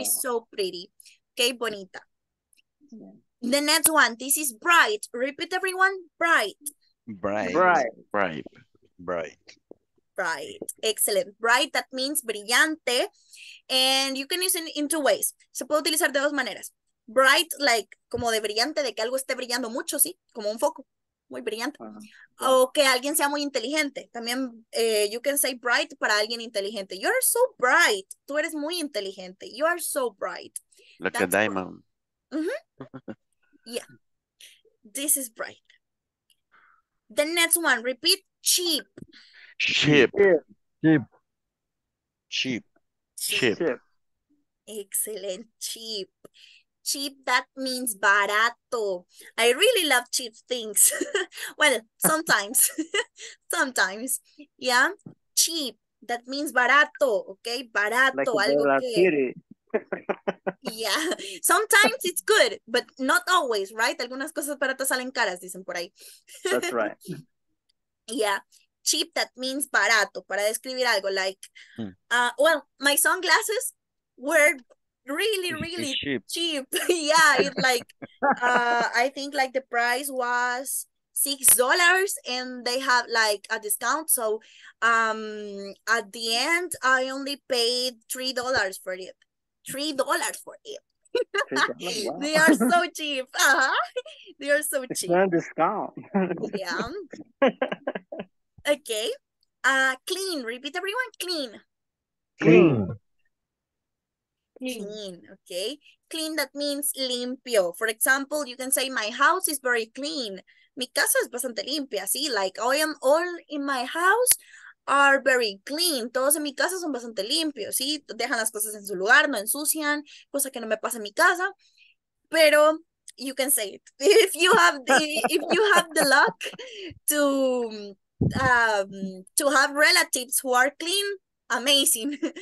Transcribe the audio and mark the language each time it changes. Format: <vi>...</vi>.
<en>is so pretty. Okay,</en> <es>bonita.</es> <en>The next one, this is bright. Repeat everyone, bright. Bright. Bright. Bright. Bright. Bright, excellent. Bright, that means</en> <es>brillante.</es> <en>And you can use it in two ways.</en> <es>Se puede utilizar de dos maneras.</es> <en>Bright, like,</en> <es>como de brillante, de que algo esté brillando mucho, ¿sí? Como un foco, muy brillante. Uh-huh. O que alguien sea muy inteligente. También,</es> <en>you can say bright</en> <es>para alguien inteligente.</es> <en>You are so bright.</en> <es>Tú eres muy inteligente.</es> <en>You are so bright. Like That's a diamond. Mm-hmm. Yeah. This is bright. The next one, repeat, cheap. Cheap. Cheap. Cheap. Cheap. Cheap. Excellent. Cheap. Cheap, that means</en> <es>barato.</es> <en>I really love cheap things. Well, sometimes. Sometimes. Yeah. Cheap, that means barato. Okay. Barato. Like</en> <es>algo a</es> <en>que... Yeah. Sometimes it's good, but not always, right?</en> <es>Algunas cosas baratas salen caras, dicen por ahí.</es> <en>That's right. Yeah. Cheap, that means barato,</en> <es>para describir algo,</es> <en>like, well, my sunglasses were really, really it's cheap. Yeah, it's like, I think like the price was $6 and they have like a discount. So at the end, I only paid $3 for it. $3 for it. $3, they are so cheap. Uh-huh. They are so it's cheap. It's not a discount. Yeah. Okay, clean. Repeat everyone, clean. Clean. Clean. Clean, okay. Clean, that means</en> <es>limpio.</es> <en>For example, you can say, my house is very clean.</en> <es>Mi casa es bastante limpia, ¿sí?</es> <en>Like, I am all in my house are very clean.</en> <es>Todos en mi casa son bastante limpios, ¿sí? Dejan las cosas en su lugar, no ensucian, cosa que no me pasa en mi casa.</es> <en>Pero... you can say it. If you have the luck to have relatives who are clean, amazing.</en>